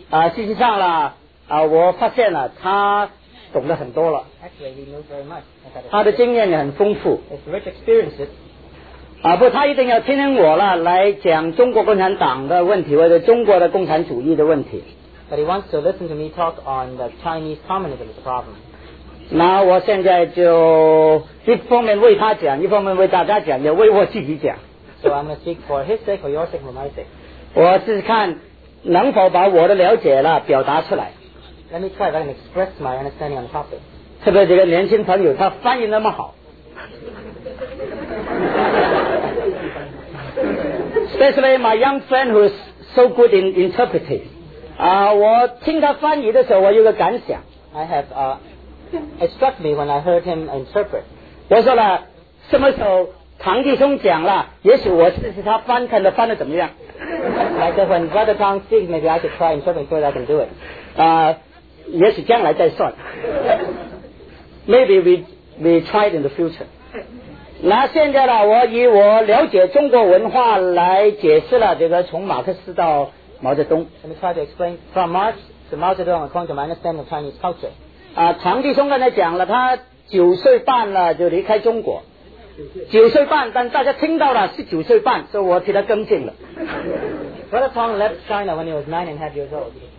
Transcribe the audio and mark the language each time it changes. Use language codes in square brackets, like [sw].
[zh] 事实上了，我发现了他懂得很多了。 [en] Actually, he knows very much. [zh] 他的经验也很丰富。 [en] His rich experiences. [zh] 不，他一定要听听我了，来讲中国共产党的问题或者中国的共产主义的问题。 [en] But he wants to listen to me talk on the Chinese communism problem. [zh] 那我现在就一方面为他讲，一方面为大家讲，也为我自己讲。 [en] So I'm going to speak for his sake, for your sake, for my sake. [zh] 我试试看能否把我的了解了表达出来。 [en] Let me try and express my understanding on the topic. [zh] 特别这个年轻朋友，他翻译那么好。 [en] Especially my young friend who is so good in interpreting. [zh] 我听他翻译的时候，我有个感想。 [en] I have, it struck me when I heard him interpret. [zh] 我说了，什么时候唐弟兄讲了，也许我试试他翻，看他翻得怎么样。 [en] Like when Brother Tang speaks, maybe I should try interpreting so that I can do it. [zh] 也许将来再算。 [en] Maybe we try it in the future. [zh] 那现在呢，我以我了解中国文化来解释了这个从马克思到毛泽东。 [en] Let me try to explain from Marx to Mao Zedong according to my understanding of Chinese culture. [zh] 唐弟兄刚才讲了，他九岁半了就离开中国。九岁半，但大家听到了是九岁半，所以我替他更正了。 [en] Brother Tang left China when he was 9.5 years old.